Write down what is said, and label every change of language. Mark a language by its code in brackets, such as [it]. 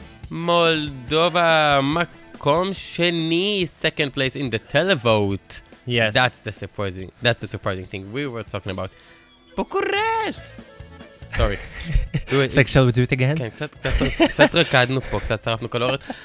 [en] מולדובה, [he] מקום שני, [en] second place in the televote. Yes. That's the surprising thing we were talking about. בוקורשט! Sorry. It's like, shall we do it again? [he] כן, קצת רקדנו פה, קצת שרפנו קלורת.